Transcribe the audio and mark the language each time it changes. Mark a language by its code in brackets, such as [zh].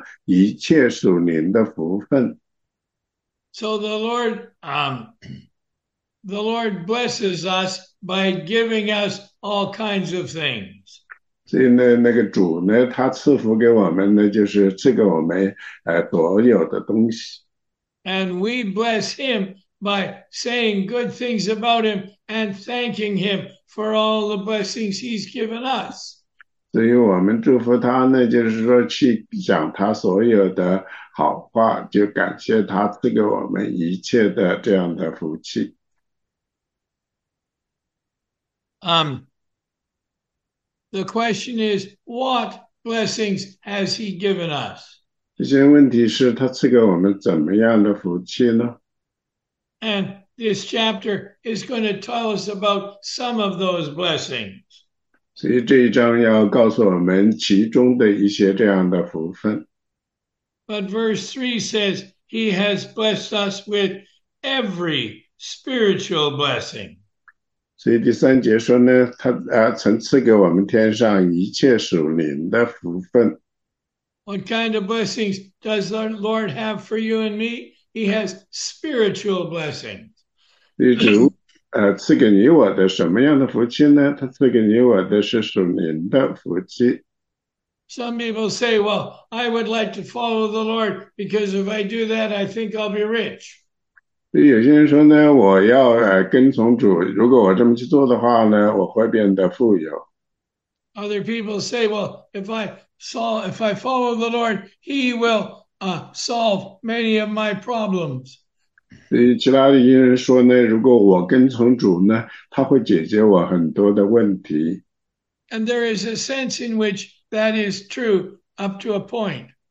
[zh] 第三章说呢，第三节说：“愿颂赞归于我们主耶稣基督的父神，他在基督里曾赐给我们天上一切属灵的福分。” [en] So the Lord blesses us by giving us all kinds of things. [zh] 所以呢，那个主呢，他赐福给我们呢，就是赐给我们所有的东西。 [en] And we bless him by saying good things about him and thanking him for all the blessings he's given us. [zh] 所以我们祝福他呢，就是说去讲他所有的好话，就感谢他赐给我们一切的这样的福气。 [en] The question is, what blessings has he given us? [zh] 这些问题是他赐给我们怎么样的福气呢？ [en] And this chapter is going to tell us about some of those blessings. [zh] 所以这一章要告诉我们其中的一些这样的福分。 [en] But verse 3 says, he has blessed us with every spiritual blessing. [zh] 所以第三节说呢，他曾赐给我们天上一切属灵的福分。 [en] What kind of blessings does the Lord have for you and me? He has spiritual blessings. [zh] 你主赐给你我的什么样的福气呢？他赐给你我的是属灵的福气。 [en] Some people say, well, I would like to follow the Lord because if I do that, I think I'll be rich. [zh] 有些人说呢，我要跟从主，如果我这么去做的话呢，我会变得富有。 [en] Other people say, well, if I follow the Lord, he will solve many of my problems. [zh] 所以其他的艺人说呢，如果我跟从主呢，他会解决我很多的问题。 [en] And there is a sense in which that is true up to a point.